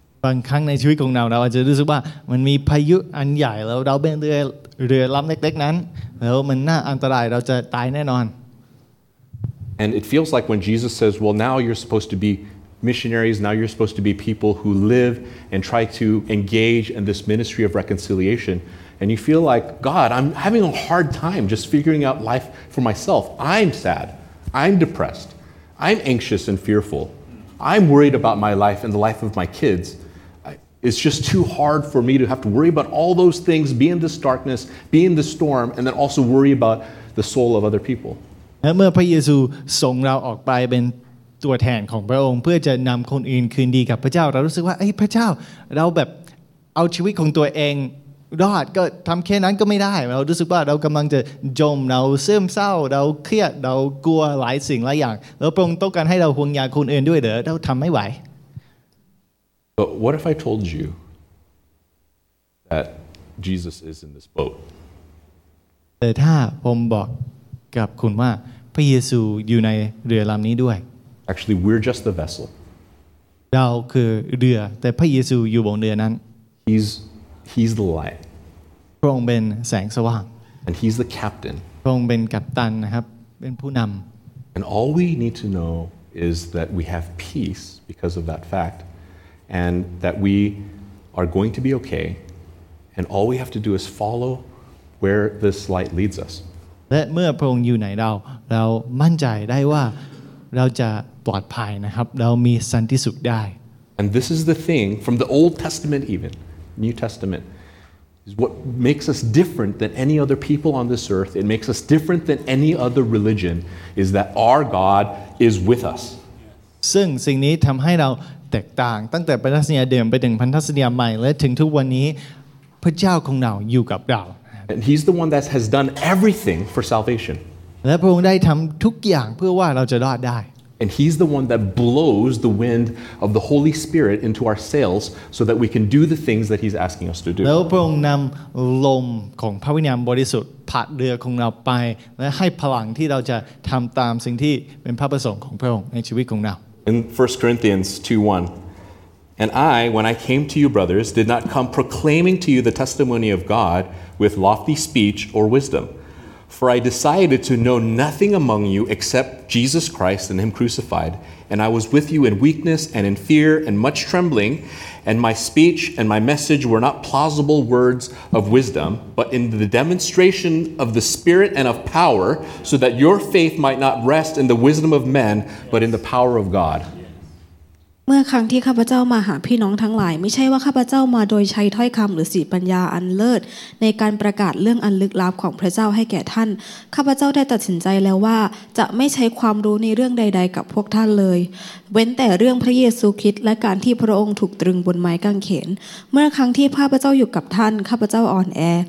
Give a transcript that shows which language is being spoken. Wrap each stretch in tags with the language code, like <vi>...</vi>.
<th>บางครั้งในชีวิตของเราเราอาจจะรู้สึกว่ามันมีพายุอันใหญ่แล้วเราเป็นเรือลำเล็กๆนั้นแล้วมันน่าอันตรายเราจะตายแน่นอน</th> <en>And it feels like when Jesus says, "Well, now you're supposed to be missionaries. Now you're supposed to be people who live and try to engage in this ministry of reconciliation." And you feel like, God, I'm having a hard time just figuring out life for myself. I'm sad. I'm depressed. I'm anxious and fearful. I'm worried about my life and the life of my kids. It's just too hard for me to have to worry about all those things, be in this darkness, be in this storm, and then also worry about the soul of other people. And when Jesus sent us out to be the representative of God, to bring others back to God, we feel like, God, we're like, we're going to take our lives.</en> <th>รอดก็ทำแค่นั้นก็ไม่ได้เรารู้สึกว่าเรากำลังจะจมเราซึมเศร้าเราเครียดเรากลัวหลายสิ่งหลายอย่างแล้วพระองค์ต้องการให้เราห่วงใยคนอื่นด้วยเหรอเราทำไม่ไหว</th> <en>But what if I told you that Jesus is in this boat</en> <th>แต่ถ้าผมบอกกับคุณว่าพระเยซูอยู่ในเรือลำนี้ด้วย</th> <en>Actually we're just the vessel</en> <th>เราคือเรือแต่พระเยซูอยู่บนเรือนั้น</th> <en>He's the light.</en> <th>พระองค์เป็นแสงสว่าง</th> <en>And he's the captain.</en> <th>พระองค์เป็นกัปตันนะครับเป็นผู้นำ</th> <en>And all we need to know is that we have peace because of that fact and that we are going to be okay and all we have to do is follow where this light leads us.</en> <th>และเมื่อพระองค์อยู่ในเรามั่นใจได้ว่าเราจะปลอดภัยนะครับเรามีสันติสุขได้</th> <en>And this is the thing from the Old Testament evenNew Testament is what makes us different than any other people on this earth. It makes us different than any other religion is that our God is with us.</en> <th>ซึ่งสิ่งนี้ทําให้เราแตกต่างตั้งแต่พันธสัญญาเดิมไปถึงพันธสัญญาใหม่และถึงทุกวันนี้พระเจ้าของเราอยู่กับเรา</th> <en>And he's the one that has done everything for salvation.</en> <th>และพระองค์ได้ทําทุกอย่างเพื่อว่าเราจะรอดได้</th> <en>And he's the one that blows the wind of the Holy Spirit into our sails so that we can do the things that he's asking us to do.</en> <th>แล้วพระองค์นำลมของพระวิญญาณบริสุทธิ์พัดเรือของเราไปและให้พลังที่เราจะทำตามสิ่งที่เป็นพระประสงค์ของพระองค์ในชีวิตของเรา</th> <en>In 1 Corinthians 2:1 And I, when I came to you, brothers, did not come proclaiming to you the testimony of God with lofty speech or wisdom. For I decided to know nothing among you except Jesus Christ and Him crucified. And I was with you in weakness and in fear and much trembling. And my speech and my message were not plausible words of wisdom, but in the demonstration of the Spirit and of power, so that your faith might not rest in the wisdom of men, but in the power of God.</en> <th>เมื่อครั้งที่ข้าพเจ้ามาหาพี่น้องทั้งหลายไม่ใช่ว่าข้าพเจ้ามาโดยใช้ถ้อยคำหรือสีปัญญาอันเลิศในการประกาศเรื่องอันลึกลับของพระเจ้าให้แก่ท่านข้าพเจ้าได้ตัดสินใจแล้วว่าจะไม่ใช้ความรู้ในเรื่องใดๆกับพวกท่านเลยเว้นแต่เรื่องพระเยซูคริสต์และการที่พระองค์ถูกตรึงบนไม้กางเขนเมื่อครั้งที่ข้าพเจ้าอยู่กับท่านข้าพเจ้าอ่อนแอ</th>